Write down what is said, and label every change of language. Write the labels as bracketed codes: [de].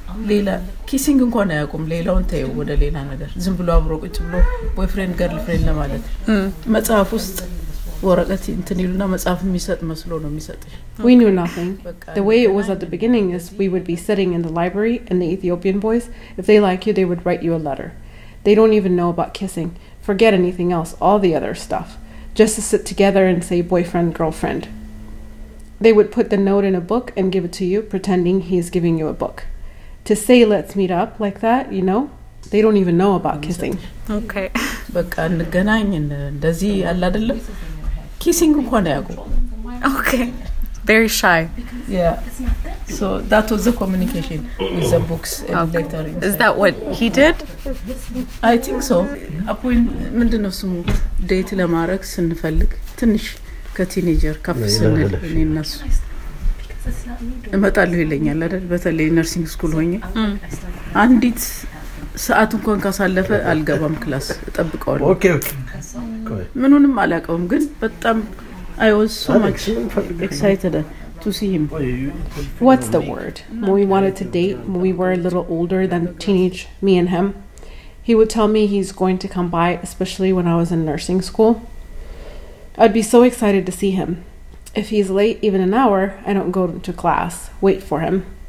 [am] ሌላ ኪሲንግ እንኳን አያቆም ሌላውን ታየ ወደ ሌላ ነገር ዝም ብሎ አብሮ ቁጭ ብሎ ቦይፍሬንድ ጋርልፍሬንድ ለማለት መጽሐፍ ውስጥ ወረቀት እንትን ይሉና መጽሐፍ የሚሰጥ መስሎ ነው የሚሰጥሽ [en] We knew nothing. The way it was at the beginning is we would be sitting in the library and the Ethiopian boys, if they like you, they would write you a letter. They don't even know about kissing. Forget anything else, all the other stuff. Just to sit together and say boyfriend, girlfriend. They would put the note in a book and give it to you, pretending he is giving you a book. To say let's meet up like that, you know, they don't even know about kissing. Okay. [am] በቃ እንገናኝ እንደዚ ያለ አይደለ? Kissing እንኳን ያቁ። [en] Okay. Very shy. Yeah. So that was the communication with the books and letter. Okay. Is that what he did? I think so. [am] አፖይን ምንድነው ስሙ? ዴት ለማድረግ ስንፈልግ ትንሽ ከቲኔጀር ካፍ ስንል እኔ እናሱ እመጣለሁ ይለኛል አይደል በተለይ ነርሲንግ ስኩል ሆኜ አንዲት ሰዓት እንኳን ካሳለፈ አልገባም ክላስ እጠብቀዋለሁ [en] ኦኬ ኦኬ [am] ምንንም አላቀውም ግን በጣም [en] አይ ዋዝ ሶ ማች ኤክሳይትድ ቱ ሲ ሂም what's the word when we wanted to date when we were a little older than teenage me and him he would tell me he's going to come by especially when I was in nursing school I'd be so excited to see him If he's late even an hour, I don't go to class. Wait for him.